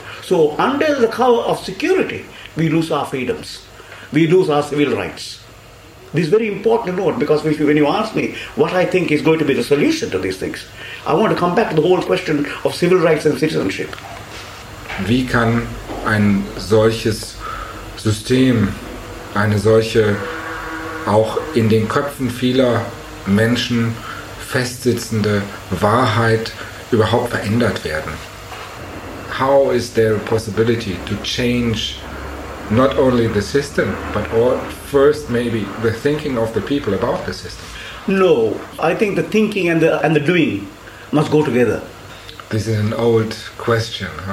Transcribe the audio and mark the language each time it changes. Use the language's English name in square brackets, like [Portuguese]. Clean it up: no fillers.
[English] So under the cover of security, we lose our freedoms. We lose our civil rights. This is very important to note, because when you ask me what I think is going to be the solution to these things, I want to come back to the whole question of civil rights and citizenship. [German] Wie kann ein solches System eine solche auch in den Köpfen vieler Menschen festsitzende Wahrheit überhaupt verändert werden? [English] How is there a possibility to change not only the system, but first maybe the thinking of the people about the system? No, I think the thinking and the doing must go together. This is an old question. Huh?